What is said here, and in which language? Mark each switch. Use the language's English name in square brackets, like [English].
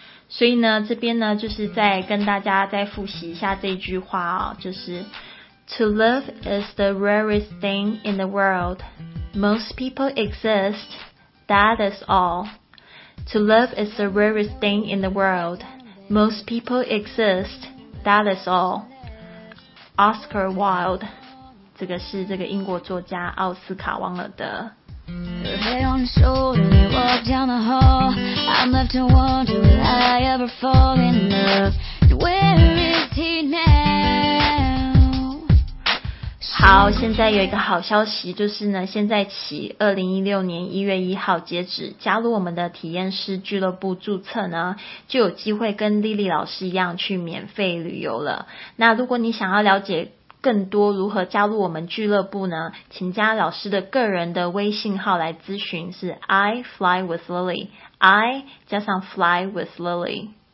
[Chinese] 所以呢，这边呢，就是再跟大家再复习一下这一句话哦，就是 [English] To love is the rarest thing in the world. Most people exist. That is all. To love is the rarest thing in the world. Most people exist. That is all. Oscar Wilde. [Chinese] 这个是这个英国作家奥斯卡王尔德。 [English] Your head on your shoulder, you walk down the hall. I'm left to wonder, will I ever fall in love? Where is he now? [Chinese] 好，现在有一个好消息，就是呢现在起2016年1月1号截止加入我们的体验师俱乐部注册呢，就有机会跟莉莉老师一样去免费旅游了。那如果你想要了解更多如何加入我们俱乐部呢，请加老师的个人的微信号来咨询，是 I fly with Lily， I 加上 fly with Lily。